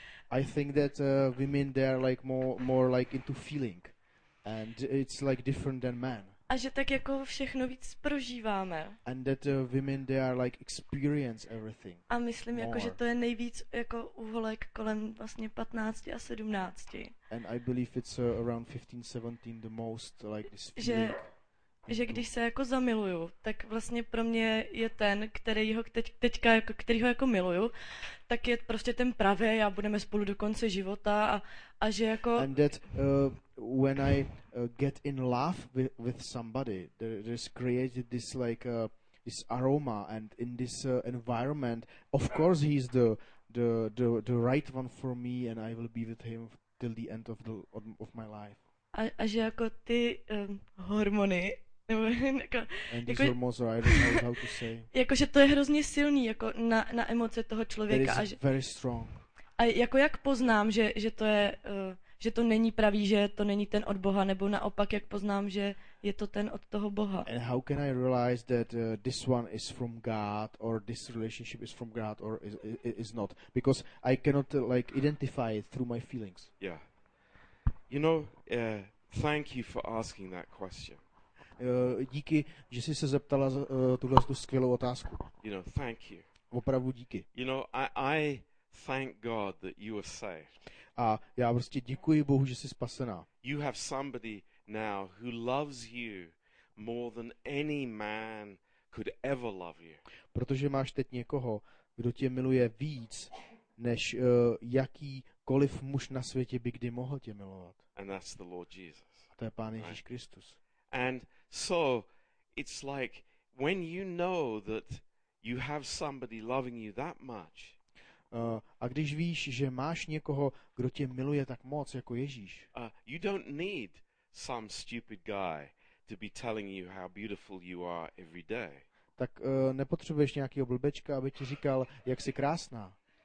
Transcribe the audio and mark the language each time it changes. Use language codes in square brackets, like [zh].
[en] I think that women they are like more like into feeling and it's like different than men. [cs] A že tak jako všechno víc prožíváme. [en] And that women they are like experience everything. [cs] A myslím [en] more. [cs] Jako že to je nejvíc jako u holek kolem vlastně 15 a 17. [en] And I believe it's around 15 17 the most like this feeling. [cs] Že když se jako zamiluju, tak vlastně pro mě je ten, kterýho jako miluju, tak je prostě ten pravý a budeme spolu do konce života a že jako [en] and that when I get in love with somebody, there is created this like this aroma and in this environment, of course he's the right one for me and I will be with him till the end of my life. [cs] A že jako ty hormony [en] and these hormones are, I don't know how to say. [cs] Jakože to je hrozně silný jako na emoce toho člověka. [en] It is very strong. [cs] A jako jak poznám, že to je že to není pravý, že to není ten od Boha, nebo naopak, jak poznám, že je to ten od toho Boha. [en] And how can I realize that this one is from God or this relationship is from God or is not? Because I cannot like identify it through my feelings. Yeah. You know, thank you for asking that question. [cs] Díky, že jsi se zeptala tuhle tu skvělou otázku. [en] You know, thank you. [cs] Opravdu díky. [en] You know, I thank God that you are saved. [cs] A já prostě děkuji Bohu, že jsi spasená. [en] You have somebody now who loves you more than any man could ever love you. [cs] Protože máš teď někoho, kdo tě miluje víc, než jakýkoliv muž na světě by kdy mohl tě milovat. [en] And that's the Lord Jesus. [cs] A to je Pán Ježíš Kristus. [en] And so it's like when you know that you have somebody loving you that much. [cs] A když víš, že máš někoho, kdo tě miluje tak moc jako Ježíš. [en] You don't need some stupid guy to be telling you how beautiful you are every day. [cs] Tak nepotřebuješ nějakýho blbečka, aby ti říkal, jak jsi krásná.